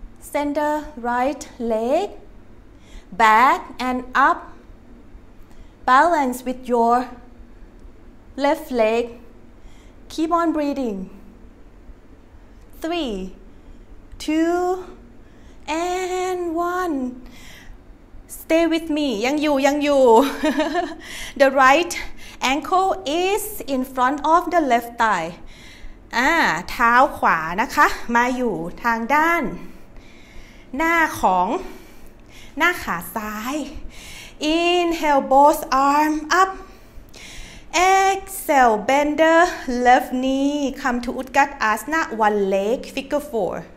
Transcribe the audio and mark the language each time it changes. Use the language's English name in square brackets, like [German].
[English] Send the right leg Back and up Balance with your left leg Keep on breathing 3 2 and 1Stay with me. [Thai] ยังอยู่. [English] The right ankle is in front of the left thigh. [Thai] เท้าขวานะคะมาอยู่ทางด้านหน้าของหน้าขาซ้าย [English] Inhale both arm up. Exhale bend the left knee. Come to Utkatasana one leg figure four.